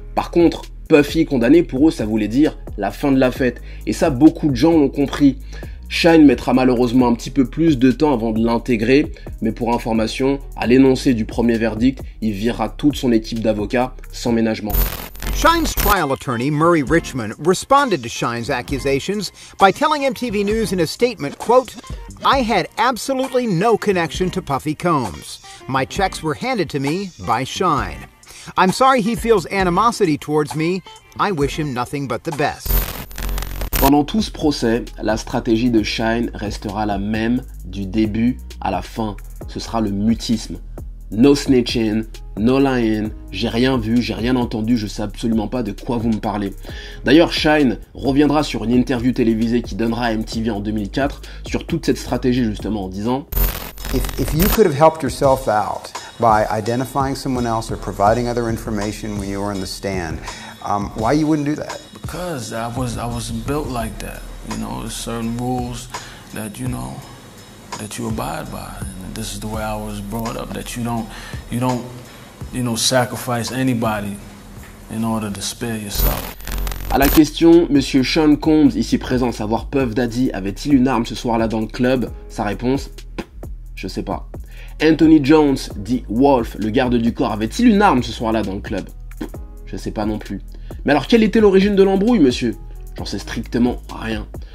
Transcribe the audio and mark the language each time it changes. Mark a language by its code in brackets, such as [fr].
[fr] Par contre, Puffy condamné, pour eux, ça voulait dire la fin de la fête. Et ça, beaucoup de gens l'ont compris. Shine mettra malheureusement un petit peu plus de temps avant de l'intégrer, mais pour information, à l'énoncé du premier verdict, il virera toute son équipe d'avocats sans ménagement. [en] Shine's trial attorney, Murray Richmond, responded to Shine's accusations by telling MTV News in a statement, quote, I had absolutely no connection to Puffy Combs. My checks were handed to me by Shine. I'm sorry he feels animosity towards me. I wish him nothing but the best. [fr] Pendant tout ce procès, la stratégie de Shine restera la même du début à la fin. Ce sera le mutisme. [en] No snitching, no lying, [fr] j'ai rien vu, j'ai rien entendu, je sais absolument pas de quoi vous me parlez. D'ailleurs, Shine reviendra sur une interview télévisée qu'il donnera à MTV en 2004 sur toute cette stratégie justement en disant [en] If you could have helped yourself out by identifying someone else or providing other information when you were on the stand, why you wouldn't do that? Because I wasn't built like that, you know. There's certain rules that you know that you abide by. And this is the way I was brought up. That you don't sacrifice anybody in order to spare yourself. [fr] À la question, Monsieur Sean Combs ici présent, savoir Puff Daddy avait-il une arme ce soir-là dans le club? Sa réponse, Je sais pas. Anthony Jones dit Wolf, le garde du corps, avait-il une arme ce soir-là dans le club? Je sais pas non plus. Mais alors, quelle était l'origine de l'embrouille, monsieur? J'en sais strictement rien.